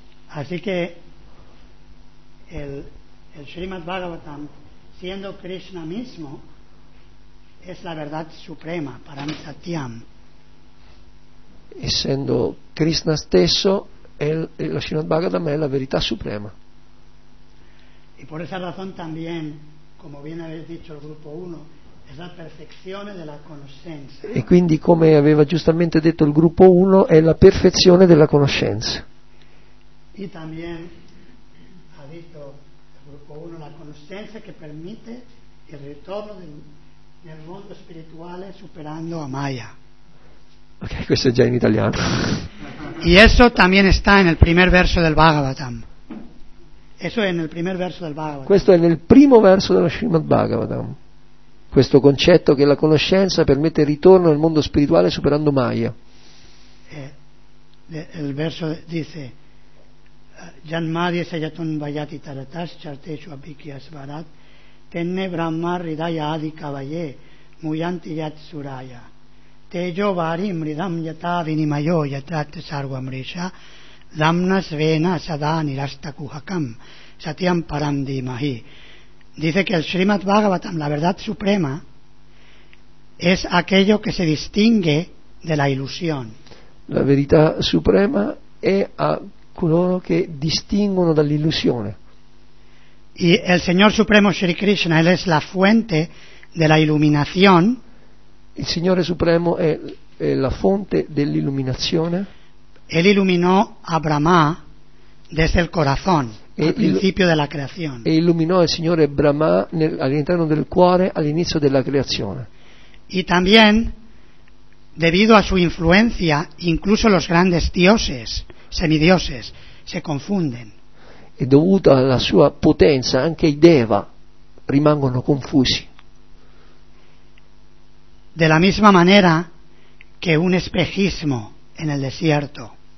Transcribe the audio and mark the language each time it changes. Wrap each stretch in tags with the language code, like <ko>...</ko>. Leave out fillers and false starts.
<es>Así que el Srimad Bhagavatam, siendo Krishna mismo, es la verdad suprema, Param Satyam.</es> <it>Essendo Krishna stesso, lo Srimad Bhagavatam è la verità suprema.</it> <es>Y por esa razón también, como bien habéis dicho el grupo 1, es la perfección de la conoscenza.</es> <it>E quindi, come aveva giustamente detto il gruppo 1, è la perfezione della conoscenza.</it> <es>Y también ha dicho el grupo 1</es> <it>la conoscenza</it> <es>que permite el retorno</es> <it>nel mondo spirituale</it> <es>superando a Maya.</es> <it>Ok, questo è già in italiano.</it> <es>Y eso también está en el primer verso del Bhagavatam. Eso es en el primer verso del Bhagavatam.</es> <it>Questo è nel primo verso dello Srimad Bhagavatam. Questo concetto che la conoscenza permette il ritorno al mondo spirituale superando Maya.</it> <sa>El verso dice Jan Madhya Sayatun Vayati Taratas Charteshu Abhikya Svarat Tenne Brahma Ridaya Adi Kavaye Muyanti Yat Suraya Tejo Vari Mridam Yata Vinimayo Yatat Sarva Mrisha Damna Svena Sadani Rasta Kuhakam Satyam Parandi Mahi.</sa> <es>Dice que el Srimad Bhagavatam, la verdad suprema, es aquello que se distingue de la ilusión.</es> <it>La verità suprema è a coloro che distinguono dall'illusione.</it> <es>Y el Señor Supremo Sri Krishna, él es la fuente de la iluminación.</es> <it>Il Signore Supremo è la fonte dell'illuminazione.</it> <es>Él iluminó a Brahma desde el corazón, al principio de la creación.</es> <it>E illuminò il Signore Brahma all'interno del cuore, all'inizio della creazione.</it> <es>Y también, debido a su influencia, incluso los grandes dioses, semidioses, se confunden.</es> <it>E dovuto alla sua potenza, anche i Deva rimangono confusi.</it> <es>De la misma manera que un espejismo en el desierto.</es>